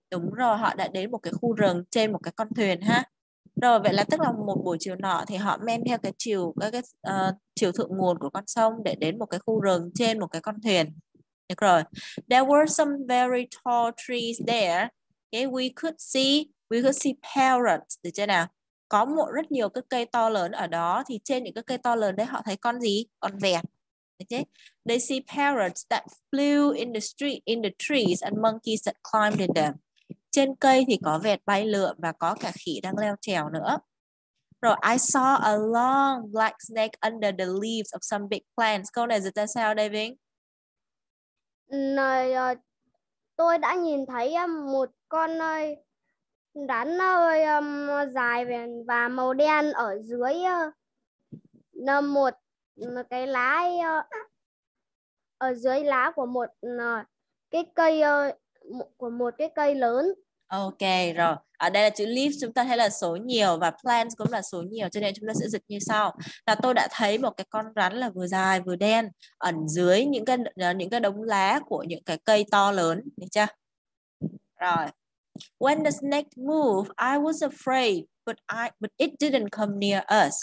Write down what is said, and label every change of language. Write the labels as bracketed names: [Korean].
[Vietnamese] Đúng rồi, họ đã đến một cái khu rừng trên một cái con thuyền ha. Rồi, vậy là tức là một buổi chiều nọ thì họ men theo cái chiều thượng nguồn của con sông để đến một cái khu rừng trên một cái con thuyền. Được rồi. [English] There were some very tall trees there. Okay, we could see parrots. [Vietnamese] Được chưa nào? Có một rất nhiều cái cây to lớn ở đó. Thì trên những cái cây to lớn đấy họ thấy con gì? Con vẹt. Được chứ? [English] They see parrots that flew in the street in the trees and monkeys that climbed in them. [Vietnamese] Trên cây thì có vẹt bay lượn và có cả khỉ đang leo trèo nữa. [English] Rồi, I saw a long black snake under the leaves of some big plants. [Vietnamese] Câu này dịch ra sao đây Vinh? Này, tôi đã nhìn thấy một con rắn dài và màu đen ở dưới nằm một cái lá ở dưới lá của một cái cây của một cái cây lớn. Ok rồi. Ở đây là chữ leaf chúng ta thấy là số nhiều và plants cũng là số nhiều, cho nên chúng ta sẽ dịch như sau. Là tôi đã thấy một cái con rắn là vừa dài vừa đen ẩn dưới những cái đống lá của những cái cây to lớn, được chưa? Rồi. [English] When the snake moved, I was afraid, but it didn't come near us.